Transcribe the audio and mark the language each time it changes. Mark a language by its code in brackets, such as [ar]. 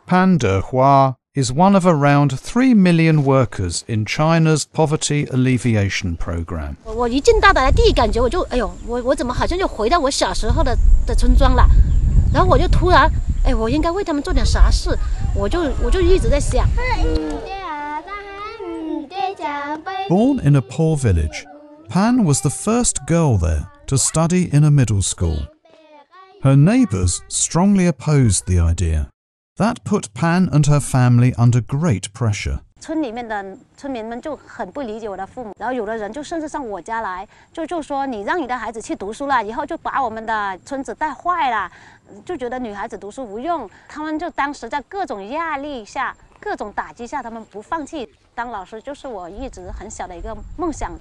[en] 潘德华is one of around 3 million workers in China's poverty alleviation program. [zh] 我一进大岛的第一感觉，我就哎呦，我怎么好像就回到我小时候的村庄了？然后我就突然，哎，我应该为他们做点啥事，我就一直在想。 [en] Born in a poor village, Pan was the first girl there to study in a middle school. Her neighbors strongly opposed the idea. That put Pan and her family under great pressure. [zh] 村里面的村民们就很不理解我的父母，然后有的人就甚至上我家来，就说你让你的孩子去读书了，以后就把我们的村子带坏了，就觉得女孩子读书无用。他们就当时在各种压力下、各种打击下，他们不放弃当老师，就是我一直很小的一个梦想。